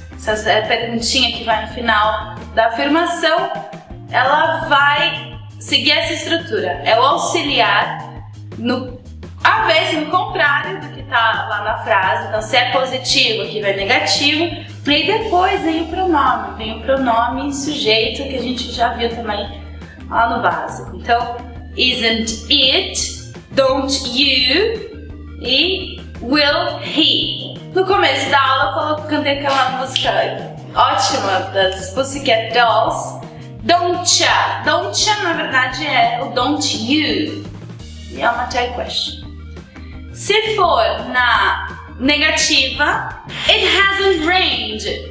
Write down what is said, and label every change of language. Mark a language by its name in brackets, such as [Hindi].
[Portuguese] Essa perguntinha que vai no final da afirmação, ela vai seguir essa estrutura. É o auxiliar no avesso, no contrário do que tá lá na frase. Então, se é positivo, aqui vai negativo. E depois vem o pronome. Vem o pronome sujeito que a gente já viu também lá no básico. Então, [English] isn't it, don't you [Portuguese] e [English] will he. [Portuguese] No começo da aula eu cantei aquela música ótima das Pussycat Dolls. [English] Don't ya. Don't ya [Portuguese] na verdade é o [English] don't you. [Portuguese] E é uma tag question. Se for na negativa, [English] it hasn't rained.